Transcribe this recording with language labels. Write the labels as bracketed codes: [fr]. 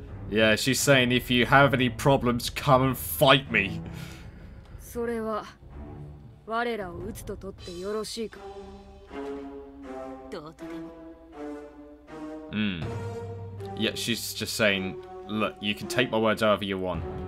[en] Yeah, she's saying if you have any problems, come and fight me. [ja] それは我らを討つと取ってよろしいか。どうとでも。 [en] Yeah, she's just saying, look, you can take my words however you want.